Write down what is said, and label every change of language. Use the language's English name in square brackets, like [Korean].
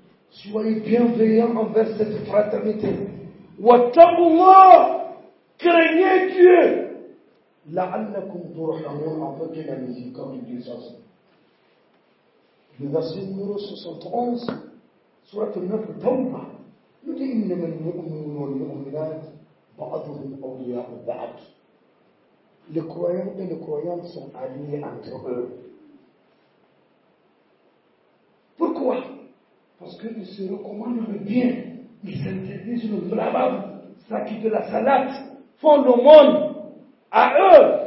[French] Soyez bienveillants envers cette fraternité. [Arabic] وَاتَّقُوا اللَّهَ. [French] Craignez Dieu. [Arabic] لَعَلَّكُمْ تُرْحَمُونَ. [French] Afin que la miséricorde de Dieu soit sauve. Le verset numéro 71, surat 9, Tawba. Nous dit [Arabic] إِنَّمَا الْمُؤْمِنُونَ وَالْمُؤْمِنَاتِ بَعْضُهُمْ أَوْلِيَاءُ بَعْضٍ. [French] Les croyants et les croyantes sont alliés entre eux. Pourquoi? Parce qu'ils se recommandent le bien. Ils s'interdisent le blabab, ça qui de la salade, font le monde à eux.